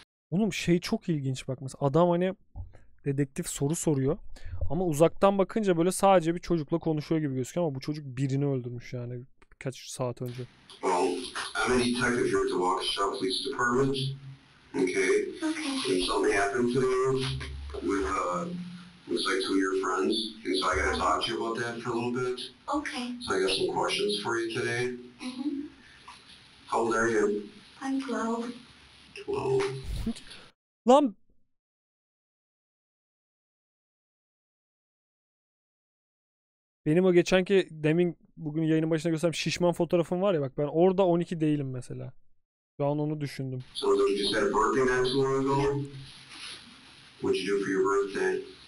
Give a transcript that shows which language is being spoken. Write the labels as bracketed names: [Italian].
[Turkish] Oğlum şey çok ilginç bak mesela adam hani dedektif soru soruyor ama uzaktan bakınca böyle sadece bir çocukla konuşuyor gibi gözüküyor ama bu çocuk birini öldürmüş yani kaç saat önce. [English] Well, I'm a detective here at the Waukesha Police Department. Okay. Okay. Something happened to you with looks like two of your friends, and so I gotta talk to you about that for a little bit. Okay. So I got some questions for you today. Mm-hmm. How old are you? I'm 12. 12. [Turkish] Lan. Benim o geçenki demin bugün yayının başında gösterdiğim şişman fotoğrafım var ya bak ben orada 12 değilim mesela. Şu an onu düşündüm. [English] So did you set a birthday not too long ago? Yeah. What did you do for your birthday?